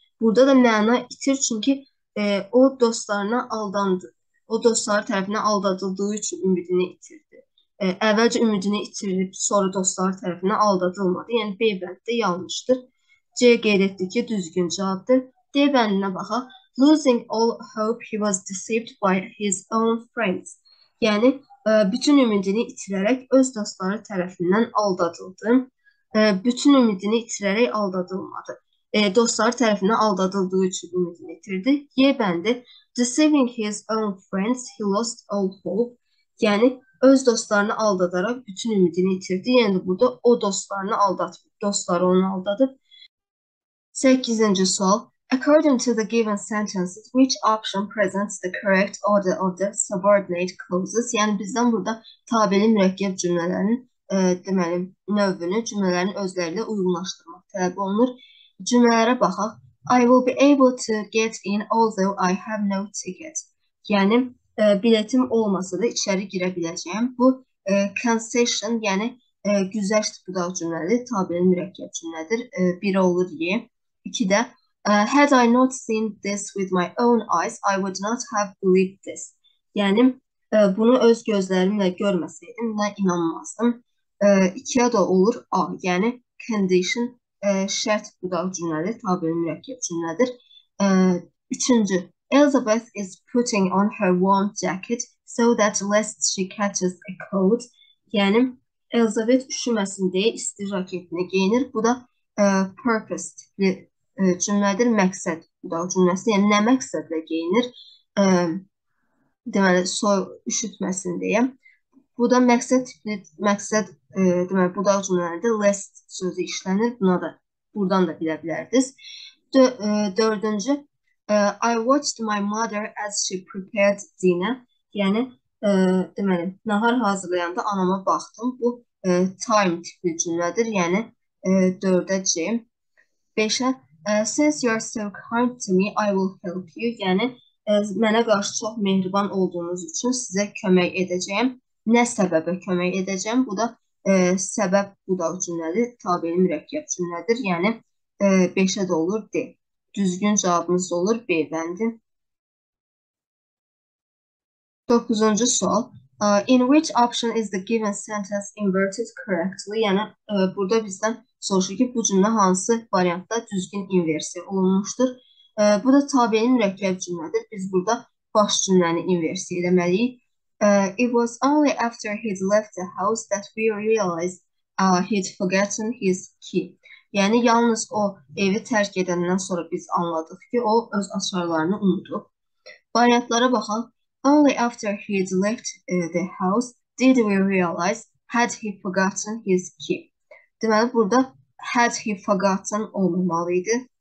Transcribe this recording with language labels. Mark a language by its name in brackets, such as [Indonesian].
[Azerbaijani] Burada da məna itir, çünki o dostlarına aldandı. O dostları tərəfindən aldadıldığı üçün ümidini itirdi. Əvvəlcə ümidini itirib, sonra dostları tərəfindən aldadılmadı. Yəni, B bəndi də yanlışdır. C qeyd etdi ki, düzgün cavabdır. D bəndinə baxaq. [English] Losing all hope, he was deceived by his own friends. [Azerbaijani] Yəni, bütün ümidini itirərək öz dostları tərəfindən aldadıldı. Bütün ümidini itirərək aldadılmadı. Dostları tərəfindən aldadıldığı üçün ümidini itirdi. Y bəndi. [English] Deceiving his own friends, he lost all hope. [Azerbaijani] Yəni, öz dostlarını aldadaraq bütün ümidini itirdi. Yəni, burada o dostlarını aldatıb, dostları onu aldadıb. 8-ci sual. [English] According to the given sentences, which option presents the correct order of the subordinate clauses? [Azerbaijani] Yəni, bizdən burada tabeli mürəkkəb cümlələrin deməli, növünü, cümlələrin özləri ilə uyğunlaşdırmaq tələb olunur. Cümlələrə baxaq. [English] I will be able to get in although I have no ticket. [Azerbaijani] Yəni, biletim olmasa da içəri girə biləcəyim. Bu, concession, yəni güzəşt budaq cümlədir, tabeli mürəkkəb cümlədir. Biri olur ye. İki də, [English] had I not seen this with my own eyes, I would not have believed this. [Azerbaijani] Yəni, bunu öz gözlərimlə görməsəydim, mən inanmazdım. İkiyə də olur A, yəni condition, şərt budaq cümlədir, tabeli mürəkkəb cümlədir. Üçüncü, [English] Elizabeth is putting on her warm jacket so that lest she catches a cold. [Azerbaijani] Yəni, Elizabeth üşüməsin deyə isti raketini geyinir. Bu da purposed bir cümlədir, məqsəd budaq cümləsi. Yəni, nə məqsədlə geyinir? Deməli, soyuq üşütməsin deyə. Bu da məqsəd deməli, budaq cümlələrində lest sözü işlənir. Buna da, buradan da bilə bilərdiniz. Dördüncü. [English] I watched my mother as she prepared dinner. [Azerbaijani] Yəni, deməli, nahar hazırlayanda anama baxdım. Bu, time tipli cümlədir. Yəni, 4-cə. 5-ə. [English] Since you are so kind to me, I will help you. [Azerbaijani] Yəni, mənə qarşı çox mehriban olduğunuz üçün sizə kömək edəcəyim. Nə səbəbə kömək edəcəyim? Bu da səbəb budal cümlədir, tabeli mürəkkəb cümlədir. Yəni, 5-ə də olur, D. Düzgün cavabımız olur, B bəndi. 9-cu sual. [English] In which option is the given sentence inverted correctly? [Azerbaijani] Yəni, burada bizdən soruşur ki, bu cümlə hansı variantda düzgün inversiya olunmuşdur? Bu da tabeli mürəkkəb cümlədir. Biz burada baş cümləni inversiya eləməliyik. It was only after he'd left the house that we realized he'd forgotten his key. Yəni, yalnız o evi tərk edəndən sonra biz anladıq ki, o öz açarlarını unutub. Variantlara baxaq. [English] Only after he'd left the house did we realize had he forgotten his key. [Azerbaijani] Deməli, burada [English] had he forgotten [Azerbaijani] olmalıydı.